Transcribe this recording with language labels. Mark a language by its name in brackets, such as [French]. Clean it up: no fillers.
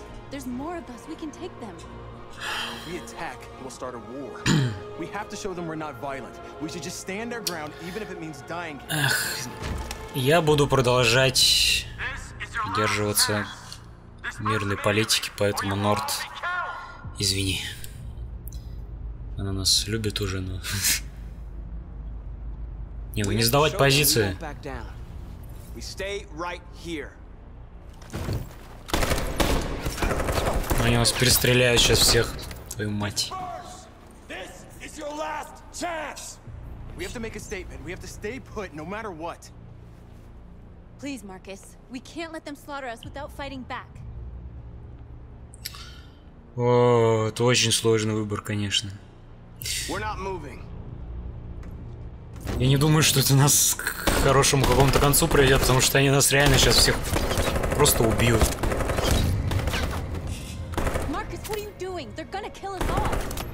[English] There's more of us. We can take them. We attack, we'll start a war. We have to show them we're not violent. We should just stand our ground, even if it means dying. [Russian] Эх, я буду продолжать придерживаться мирной политики, поэтому Норд, извини, она нас любит уже, но не, вы не сдавать позиции. [English] We stay right here. [Russian] Они вас перестреляют сейчас всех, твою мать. [English] We have to make a statement. We have to stay put, no matter what. Please, Marcus, we can't let them slaughter us without fighting back. [Russian] О, это очень сложный выбор, конечно. Я не думаю, что это нас к хорошему какому-то концу приведет, потому что они нас реально сейчас всех просто убьют. [English] Marcus, what are you doing? They're gonna kill us all.